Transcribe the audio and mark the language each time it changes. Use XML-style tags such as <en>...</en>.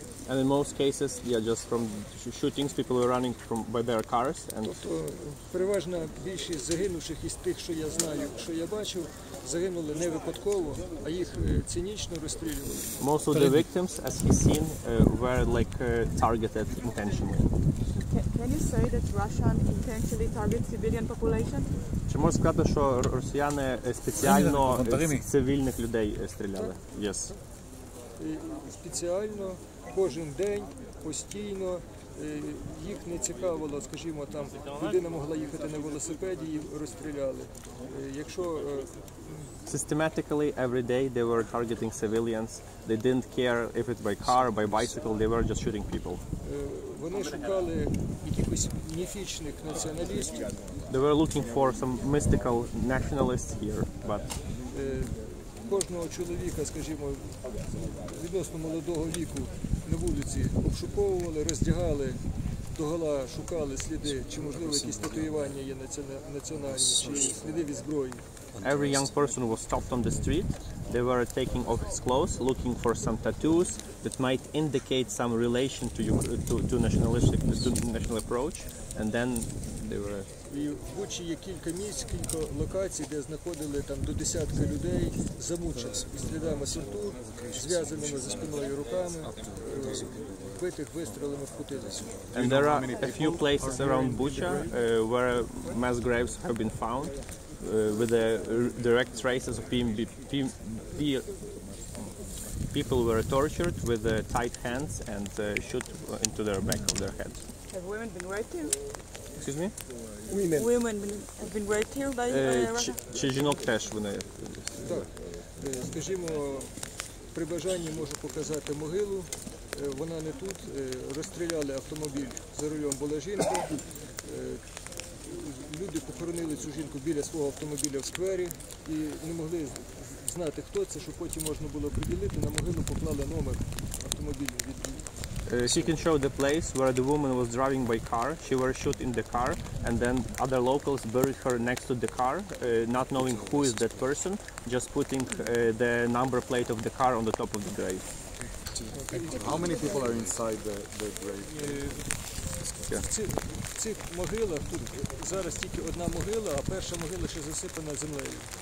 <en>and in most cases, yeah, just from shootings, people were running from by their cars. And</en> <uk>тобто переважна більшість загинувших із тих, що я знаю, що я бачив, загинули не випадково, а їх цинічно розстрілювали.</uk> <en>Most of the victims, as he seen, were like targeted intentionally. Can you say that Russian intentionally targets civilian population?</en> <uk>Чи можна сказати, що росіяни спеціально цивільних людей стріляли?</uk> <en>Yes.</en> <uk>Спеціально, кожен день, постійно. Їх не цікавило, скажімо, там людина могла їхати на велосипеді і розстріляли. Якщо</uk> <en>systematically every day they were targeting civilians. They didn't care if it by car, by bicycle, they were just shooting people.</en> <uk>Вони шукали якихось міфічних націоналістів.</uk> <en>They were looking for some mystical nationalists here, but</en> <uk>кожного чоловіка, скажімо, відносно молодого віку на вулиці обшуковували, роздягали догола, шукали сліди, чи можливо якісь татуювання є національні, чи сліди від зброї.</uk> <en>Every young person was stopped on the street. They were taking off his clothes, looking for some tattoos that might indicate some relation to nationalistic, to national approach, and then they were.</en> <uk>І в Бучі є кілька місць, кілька локацій, де знаходили там до десятка людей, замучених слідами тортур, зв'язаними за спиною руками, вбитих вистрілами в кутилися.</uk> <en>And there are a few places around Bucha where mass graves have been found. with the direct traces of people were tortured with tight hands and shot into the back of their heads. Have women been raped here? Excuse me? Women have been raped here by Russia?</en> <uk>Чи жінок теж вони... Так. Скажімо, при бажанні можу показати могилу. Вона не тут. Розстріляли автомобіль. За рулем була жінка. Люди похоронили цю жінку біля свого автомобіля в сквері і не могли знати, хто це, щоб потім можна було приділити. На могилу поклали номер автомобілю.</uk> <en>She can show the place where the woman was driving by car. She was shot in the car and then other locals buried her next to the car, not knowing who is that person, just putting the number plate of the car on the top of the grave. How many people are inside the grave?</en> <uk>В цих могилах тут зараз тільки одна могила, а перша могила ще засипана землею.</uk>